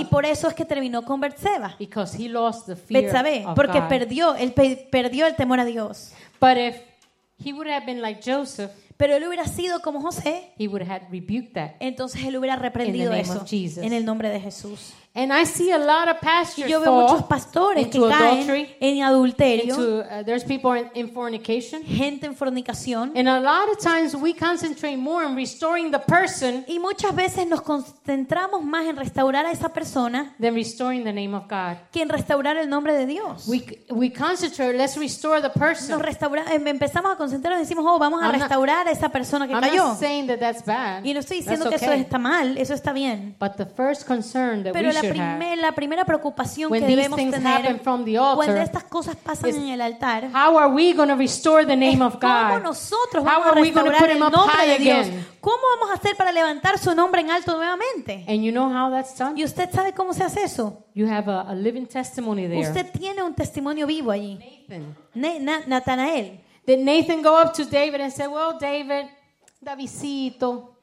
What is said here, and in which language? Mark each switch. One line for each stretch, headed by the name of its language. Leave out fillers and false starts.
Spanish: Y por eso es que terminó con Bathsheba.
English: Because he lost the fear Bathsheba, of God.
Spanish: Porque perdió, él perdió el temor a Dios.
English: But if he would have been like Joseph,
Spanish: pero él hubiera sido como José,
English: he would have rebuked that.
Spanish: Entonces él hubiera reprendido eso en el nombre de Jesús.
English: And I see a lot of pastors
Spanish: y yo veo muchos pastores que caen
English: adultery,
Spanish: en adulterio,
English: into, there's people in fornication,
Spanish: gente en fornicación.
English: And a lot of times we concentrate more on restoring the person,
Spanish: y muchas veces nos concentramos más en restaurar a esa persona,
English: than restoring the name of God.
Spanish: Que en restaurar el nombre de Dios.
English: We concentrate, let's restore the person.
Spanish: Nos empezamos a concentrarnos y decimos, oh, vamos a restaurar a esa persona que cayó.
English: I'm not saying that that's bad.
Spanish: Y no estoy diciendo
English: that's
Spanish: que
English: okay.
Spanish: Eso está mal, eso está bien.
English: But the first concern that
Spanish: pero la primera preocupación que debemos tener
English: altar,
Spanish: cuando estas cosas pasan en el altar,
English: how are we going to restore the name of God?
Spanish: ¿Cómo nosotros vamos a restaurar el nombre de Dios? ¿Cómo vamos a hacer para levantar su nombre en alto nuevamente?
English: And you know how that's done?
Spanish: ¿Y usted sabe cómo se hace eso?
English: You have a living testimony there.
Spanish: Usted tiene un testimonio vivo allí.
English: Nathan. Did Nathan go up to David and say, "Well, David, Davidcito"?